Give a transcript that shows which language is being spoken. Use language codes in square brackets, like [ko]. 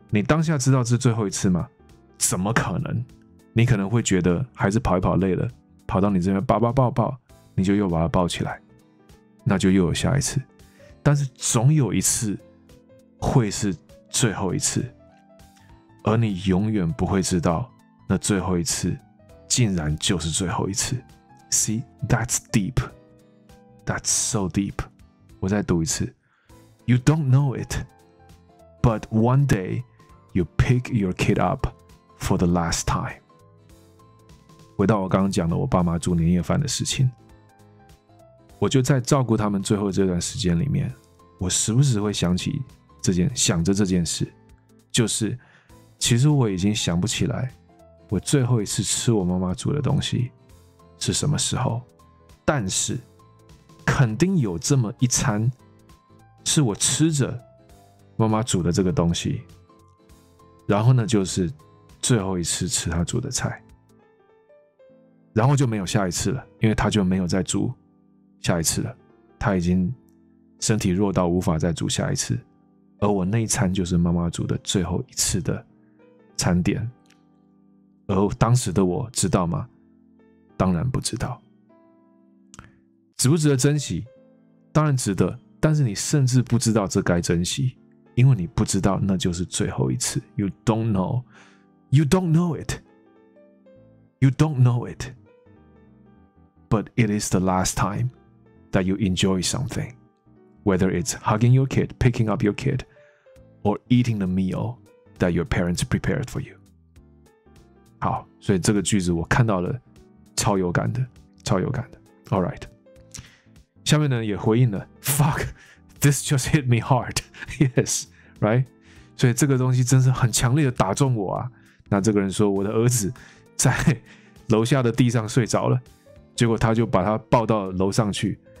[zh] 你当下知道是最后一次吗？怎么可能？你可能会觉得孩子跑一跑累了，跑到你这边爸爸抱抱，你就又把他抱起来，那就又有下一次。但是总有一次会是最后一次，而你永远不会知道那最后一次竟然就是最后一次。 [en] See, that's deep, that's so deep. [zh] 我再读一次， [en] You don't know it, but one day you pick your kid up for the last time. [zh] 回到我刚刚讲的我爸妈煮年夜饭的事情，我就在照顾他们最后这段时间里面，我时不时会想着这件事，就是其实我已经想不起来我最后一次吃我妈妈煮的东西是什么时候，但是肯定有这么一餐是我吃着妈妈煮的这个东西，然后呢就是最后一次吃她煮的菜，然后就没有下一次了，因为她就没有再煮下一次了，他已经身体弱到无法再煮下一次，而我那一餐就是妈妈煮的最后一次的餐点。而当时的我知道吗？当然不知道。值不值得珍惜？当然值得，但是你甚至不知道这该珍惜，因为你不知道那就是最后一次。 [en] You don't know, You don't know it, You don't know it, But it is the last timeThat you enjoy something, whether it's hugging your kid, picking up your kid, or eating the meal that your parents prepared for you. [zh] 好，所以这个句子我看到了，超有感的，超有感的。 [en] All right. [zh] 下面呢也回应了 [en] ，Fuck, this just hit me hard. Yes, right. [zh] 所以这个东西真是很强烈的打中我啊。那这个人说，我的儿子在楼下的地上睡着了，结果他就把他抱到楼上去。